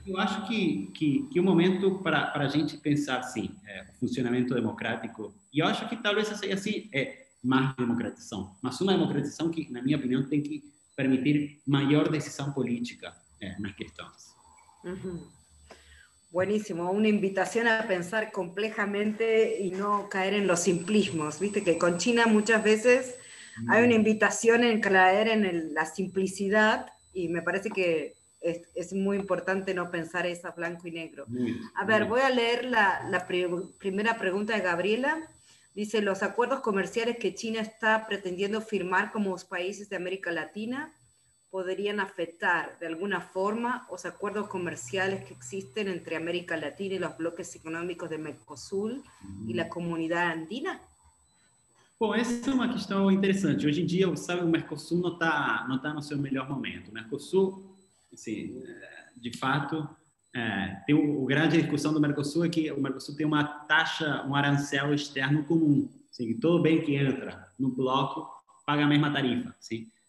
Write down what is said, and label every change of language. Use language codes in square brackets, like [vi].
[pt] Eu acho que o momento para a gente pensar, sim, o funcionamento democrático, e eu acho que talvez seja assim, é mais democratização, mas uma democratização que, na minha opinião, tem que permitir maior decisão política nas questões. [es] Buenísimo, una invitación a pensar complejamente y no caer en los simplismos. Viste que con China muchas veces hay una invitación en caer en la simplicidad y me parece que es muy importante no pensar eso blanco y negro. A ver, voy a leer la primera pregunta de Gabriela. Dice, los acuerdos comerciales que China está pretendiendo firmar con los países de América Latina podrían afectar de alguna forma los acuerdos comerciales que existen entre América Latina y los bloques económicos de Mercosur y la comunidad andina? [pt] Bom, essa é uma questão interessante. Hoje em dia, sabe, o Mercosul não tá no seu melhor momento. O Mercosul, assim, de fato, tem o grande discussão do Mercosul é que o Mercosul tem uma taxa, um arancel externo comum. Assim, todo bem que entra no bloco paga a mesma tarifa, sim.